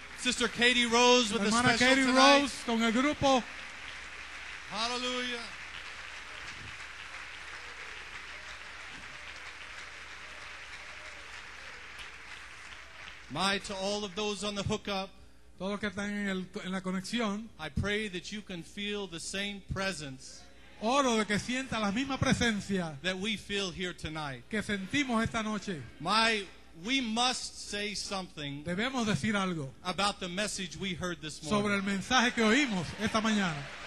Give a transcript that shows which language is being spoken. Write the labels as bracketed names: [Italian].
[English] Sister Katie Rose with the special Katie tonight. [Spanish] Rose con el grupo. [English] Hallelujah. My to all of those on the hookup. [Spanish] Todo que están en el, en la conexión. [English] I pray that you can feel the same presence. [Spanish] Oro de que sienta la misma presencia. [English] That we feel here tonight. [Spanish] Que sentimos esta noche. [English] My, we must say something. [Spanish] Debemos decir algo. [English] About the message we heard this morning. [Spanish] Sobre el mensaje que oímos esta mañana.